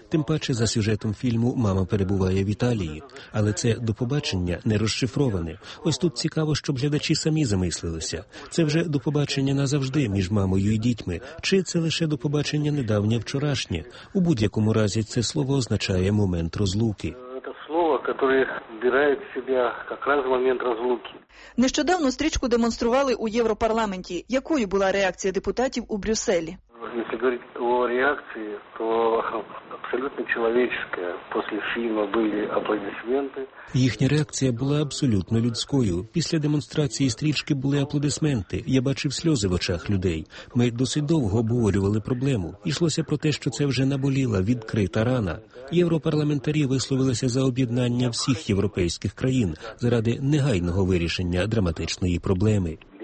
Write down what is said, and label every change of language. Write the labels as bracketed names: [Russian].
[Ukrainian] Тим паче за сюжетом фільму мама перебуває в Італії. Але це «до побачення» не розшифроване. Ось тут цікаво, щоб глядачі самі замислилися. Це вже «до побачення» назавжди між мамою і дітьми. Чи це лише «до побачення» недавнє вчорашнє? У будь-якому разі це слово означає «момент розлуки». [Russian] Которые вбирают в себя как раз в момент разлуки. [Ukrainian] Нещодавно стрічку демонстрували у Європарламенті. Якою була реакція депутатів у Брюсселі? [Russian] Если говорить о реакции, то абсолютно человеческая. После фильма были аплодисменты. [Ukrainian] Їхня реакція була абсолютно людською. Після демонстрації стрічки були аплодисменти. Я бачив сльози в очах людей. Ми досить довго обговорювали проблему. Йшлося про те, що це вже наболіла відкрита рана. Європарламентарі висловилися за об'єднання всіх європейських країн заради негайного вирішення драматичної проблеми.